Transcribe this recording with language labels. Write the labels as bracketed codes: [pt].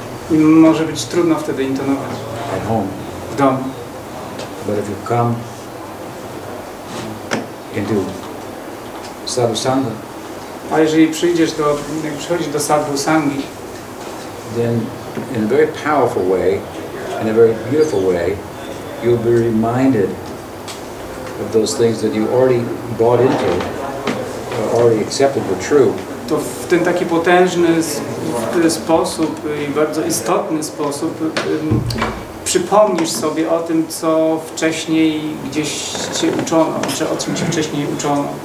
[pl] I może być trudno wtedy intonować. [en] At home. [pl] W domu. [en] But if you come into sadhu sangha. [pl] A jeżeli przychodzisz do sadhu sangi, [en] then in a very powerful way, in a very beautiful way, you'll be reminded of those things that you already bought into, already accepted were true. [pl] To w ten taki potężny sposób i bardzo istotny sposób przypomnisz sobie o tym, co wcześniej gdzieś cię uczono, czy o czym cię wcześniej uczono.